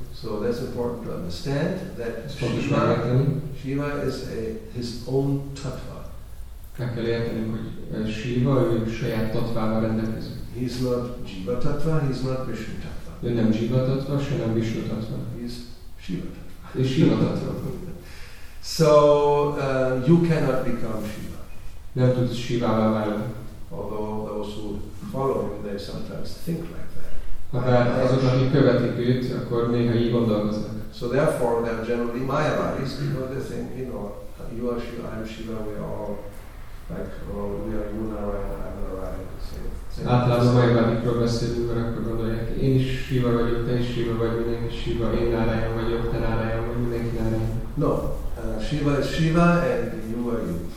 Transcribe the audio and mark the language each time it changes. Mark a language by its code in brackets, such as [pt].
[en] So that's important to understand that Shiva is his own tattva. [hu] Meg kell érteni, hogy Shiva, ő saját tattvával rendelkezik. [en] He's not Jiva tattva, he's not Vishnu tattva. [hu] Ő nem Jiva tattva, se nem Vishnu tattva. [en] He's Shiva tattva. [hu] Ő Shiva tattva. [en] So you cannot become Shiva. [hu] Nem tudsz Shivává válni. [en] Although those who follow him, they sometimes think like that. [hu] azok, akik követik őt, akkor néha így gondolkoznak. [en] So therefore, they are generally Mayavadis, because they think, you know, you are Shiva, I am Shiva, we are all like, well, we are you Narayana, I am Narayana. [hu] Általában Mayavadikról beszélünk, akkor gondolják, én is Shiva vagyok, te is Shiva vagy, mindenki Shiva, én Narayana vagyok, te Narayana vagy, mindenki Narayana. [en] No, Shiva is Shiva, and you are you.